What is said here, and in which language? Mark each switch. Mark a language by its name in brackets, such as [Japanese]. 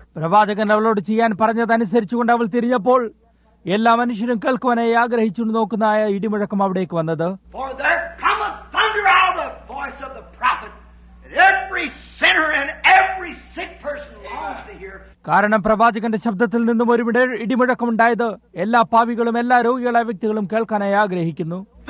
[Malayalam] പ്രവാചകൻ അവളോട് ചെയ്യാൻ പറഞ്ഞതനുസരിച്ചുകൊണ്ട് അവൾ തിരിഞ്ഞപ്പോൾ എല്ലാ മനുഷ്യരും കേൾക്കുവാനായി ആഗ്രഹിച്ചു നോക്കുന്ന ആ ഇടിമുഴക്കം അവിടേക്ക് വന്നത്. [English] For there cometh thunder out of the voice of the prophet, and every sinner and every sick person longs to hear. [Malayalam] കാരണം പ്രവാചകന്റെ ശബ്ദത്തിൽ നിന്നും ഒരു ഇടിമുഴക്കം ഉണ്ടായത് എല്ലാ പാപികളും എല്ലാ രോഗികളെ വ്യക്തികളും കേൾക്കാനായി ആഗ്രഹിക്കുന്നു.